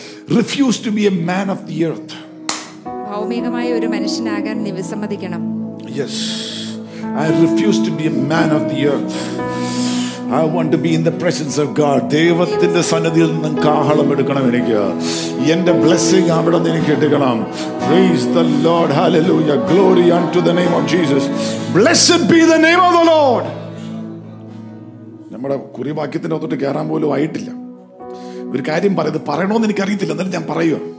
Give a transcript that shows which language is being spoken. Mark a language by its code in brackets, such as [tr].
[en] Refuse to be a man of the earth. [ml] ഭൗമികമായി ഒരു മനുഷ്യനാകാൻ നിവസമ്മതിക്കണം. [en] Yes, I refuse to be a man of the earth. I want to be in the presence of God. [ml] ദൈവത്തിന്റെ സന്നിധിയിൽ നിന്നും കാഹളം എടുക്കണം എനിക്ക്. എന്റെ blessing അവിടെ നിന്ന് എനിക്ക് എടുക്കണം. [en] Praise the Lord. Hallelujah. Glory unto the name of Jesus. Blessed be the name of the Lord. [ml] നമ്മുടെ കുറിവാക്യത്തിന്റെ അകത്തോട്ട് കയറാൻ പോലും ആയിട്ടില്ല. ഒരു കാര്യം പറയത് പറയണോന്ന് എനിക്കറിയത്തില്ല, എന്നാലും ഞാൻ പറയുക.